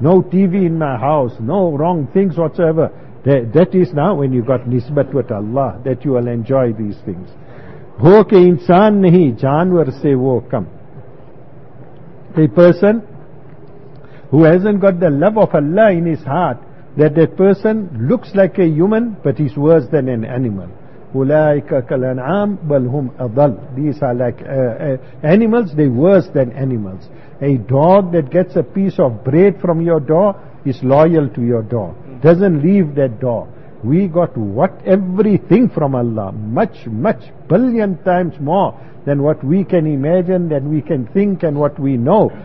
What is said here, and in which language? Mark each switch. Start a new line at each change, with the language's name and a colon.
English: No TV in my house, no wrong things whatsoever. That is now when you got nisbat with Allah, that you will enjoy these things.
Urdu: Ho ke insaan nahi, janwar se wo kam.
English: A person who hasn't got the love of Allah in his heart, that person looks like a human, but he's worse than an animal.
Arabic: أولئك كالأنعام بل هم أضل.
English: These are like animals, they're worse than animals. A dog that gets a piece of bread from your door is loyal to your door, doesn't leave that door. We got what? Everything from Allah, much, much, billion times more than what we can imagine, than we can think, and what we know.